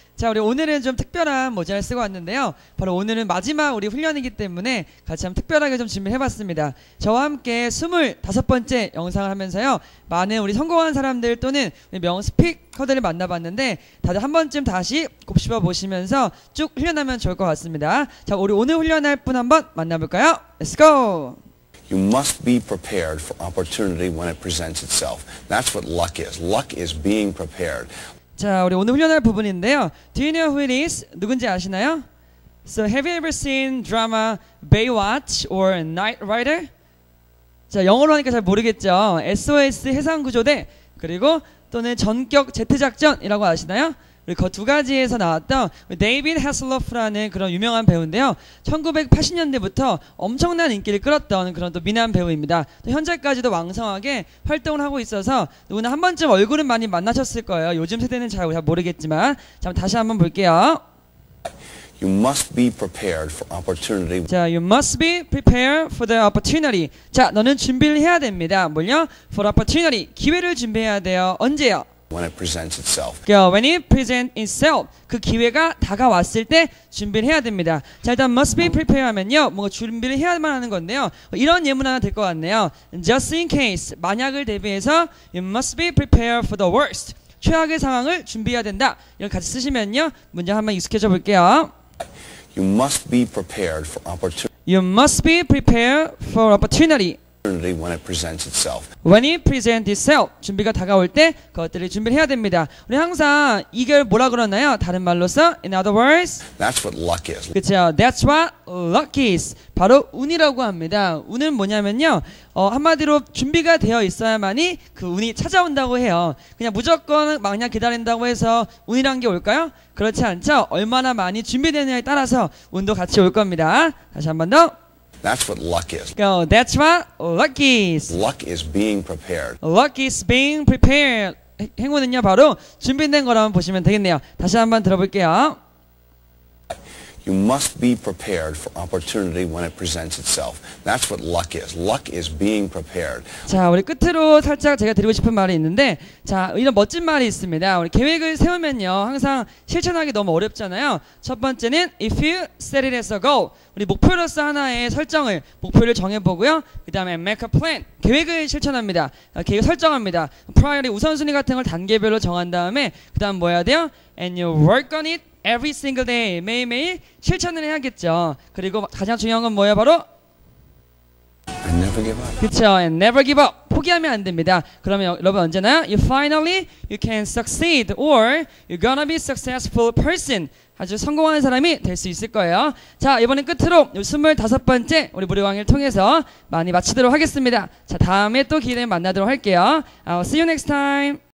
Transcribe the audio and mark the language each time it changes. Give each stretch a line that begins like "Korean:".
Korean: 자, 우리 오늘은 좀 특별한 모자를 쓰고 왔는데요. 바로 오늘은 마지막 우리 훈련이기 때문에 같이 한번 특별하게 좀 준비해봤습니다. 저와 함께 25번째 영상을 하면서요. 많은 우리 성공한 사람들 또는 명 스피커들을 만나봤는데 다들 한 번쯤 다시 곱씹어보시면서 쭉 훈련하면 좋을 것 같습니다. 자, 우리 오늘 훈련할 분 한번 만나볼까요?
English: Let's go! You must be prepared for opportunity when it presents itself. That's what luck is. Luck is being prepared.
Korean: 자, 우리 오늘 훈련할 부분인데요.
English: Do you know who it is?
Korean: 누군지 아시나요?
English: So, have you ever seen drama Baywatch or Knight Rider?
Korean: 자, 영어로 하니까 잘 모르겠죠. SOS 해상구조대 그리고 또는 전격 Z작전이라고 아시나요? 그리고 그 두 가지에서 나왔던 데이빗 해슬로프라는 그런 유명한 배우인데요. 1980년대부터 엄청난 인기를 끌었던 그런 또 미남 배우입니다. 또 현재까지도 왕성하게 활동을 하고 있어서 누구나 한 번쯤 얼굴은 많이 만나셨을 거예요. 요즘 세대는 잘 모르겠지만. 자, 다시 한번 볼게요.
English: You must be prepared for opportunity. 자, you must be prepared for the opportunity.
Korean: 자, 너는 준비를 해야 됩니다. 뭘요?
English: For opportunity.
Korean: 기회를 준비해야 돼요. 언제요?
English: When it presents itself. When it presents itself.
Korean: 그 기회가 다가왔을 때 준비를 해야 됩니다. 자, 일단 must be prepared 하면요. 뭔가 준비를 해야만 하는 건데요. 이런 예문 하나 될 것 같네요.
English: Just in case.
Korean: 만약을 대비해서
English: you must be prepared for the worst.
Korean: 최악의 상황을 준비해야 된다. 이걸 같이 쓰시면요. 문장 한번 익숙해져 볼게요.
English: You must be prepared for opportunity. You must be prepared for opportunity. When it presents itself. When it presents itself.
Korean: 준비가 다가올 때 그것들을 준비해야 됩니다. 우리 항상 이걸 뭐라 그러나요? 다른 말로서
English: in other words. That's what luck is.
Korean: 그렇죠.
English: That's what luck is.
Korean: 바로 운이라고 합니다. 운은 뭐냐면요. 한마디로 준비가 되어 있어야만이 그 운이 찾아온다고 해요. 그냥 무조건 막냥 기다린다고 해서 운이란 게 올까요? 그렇지 않죠. 얼마나 많이 준비되느냐에 따라서 운도 같이 올 겁니다. 다시 한번 더.
English: That's what luck is. Go. That's what luck is. Luck is being prepared. Luck is being prepared.
Korean: 행운은요 바로 준비된 거라고 보시면 되겠네요. 다시 한번 들어볼게요.
English: You must be prepared for opportunity when it presents itself. That's what luck is. Luck is being prepared.
Korean: 자, 우리 끝으로 살짝 제가 드리고 싶은 말이 있는데, 자, 이런 멋진 말이 있습니다. 우리 계획을 세우면요, 항상 실천하기 너무 어렵잖아요. 첫 번째는
English: if you set it as a goal.
Korean: 우리 목표로서 하나의 설정을, 목표를 정해보고요. 그 다음에
English: make a plan.
Korean: 계획을 실천합니다. 계획을 설정합니다. priority 우선순위 같은 걸 단계별로 정한 다음에, 그 다음 뭐 해야 돼요?
English: and you work on it. Every single day,
Korean: 매일매일 실천을 해야겠죠. 그리고 가장 중요한 건 뭐예요? 바로
English: I never give up. 그쵸, and never give up.
Korean: 포기하면 안 됩니다. 그러면 여러분 언제나요?
English: You finally, you can succeed or you're gonna be successful person.
Korean: 아주 성공하는 사람이 될 수 있을 거예요. 자, 이번엔 끝으로 25번째 우리 무료 강의를 통해서 많이 마치도록 하겠습니다. 자, 다음에 또 기회에 만나도록 할게요.
English: I'll see you next time.